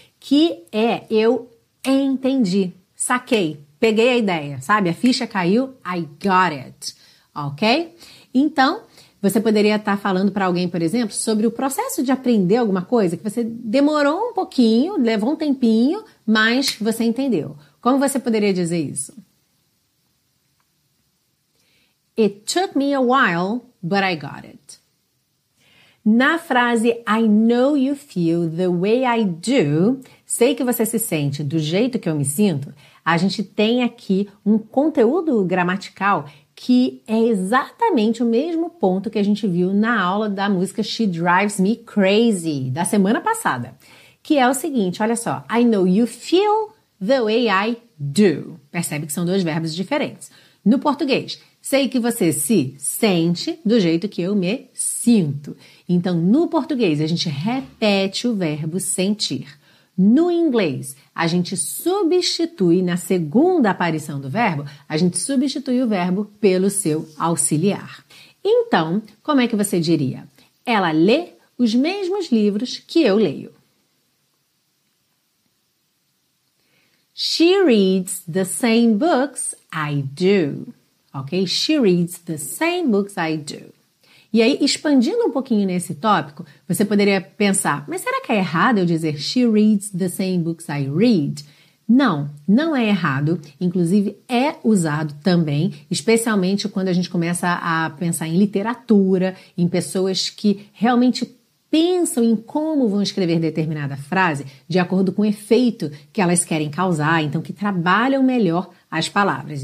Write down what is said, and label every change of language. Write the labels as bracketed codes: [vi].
[pt] Que é eu entendi, saquei, peguei a ideia, sabe? A ficha caiu, [en] I got it, [pt] ok? Então, você poderia estar falando para alguém, por exemplo, sobre o processo de aprender alguma coisa que você demorou um pouquinho, levou um tempinho, mas você entendeu. Como você poderia dizer isso? [en] It took me a while, but I got it. [pt] Na frase [en] I know you feel the way I do, [pt] sei que você se sente do jeito que eu me sinto, a gente tem aqui um conteúdo gramatical que é exatamente o mesmo ponto que a gente viu na aula da música She Drives Me Crazy, da semana passada, que é o seguinte, olha só, [en] I know you feel the way I do. [pt] Percebe que são dois verbos diferentes. No português, sei que você se sente do jeito que eu me sinto. Então, no português, a gente repete o verbo sentir. No inglês, a gente substitui, na segunda aparição do verbo, a gente substitui o verbo pelo seu auxiliar. Então, como é que você diria? Ela lê os mesmos livros que eu leio. [en] She reads the same books I do. ok? She reads the same books I do. [pt] E aí, expandindo um pouquinho nesse tópico, você poderia pensar, mas será que é errado eu dizer [en] she reads the same books I read? [pt] Não, não é errado. Inclusive, é usado também, especialmente quando a gente começa a pensar em literatura, em pessoas que realmente pensam em como vão escrever determinada frase de acordo com o efeito que elas querem causar, então que trabalham melhor as palavras.